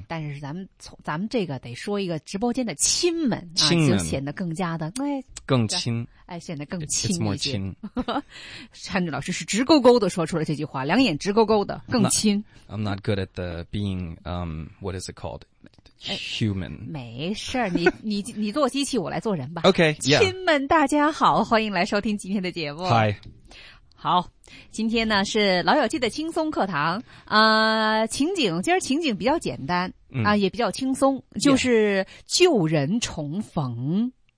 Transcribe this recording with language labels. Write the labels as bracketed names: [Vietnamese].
[Chinese] 哎、但是咱们这个得说一个直播间的亲门啊，亲门就显得更加的哎更亲。哎，显得更亲一 [English] 些。It's more 亲。 [Chinese] Henry 老师是直勾勾的说出了这句话，两眼直勾勾的，更亲。 [English] I'm not good at the being, what is it called? Human. [Chinese] 没事儿，你做机器，我来做人吧。 [English] OK, yeah. [Chinese] 亲们大家好，欢迎来收听今天的节目。 [English] Hi. [Chinese] 好，今天呢是老友记的轻松课堂。情景，今儿情景比较简单啊、也比较轻松，就是旧人重逢。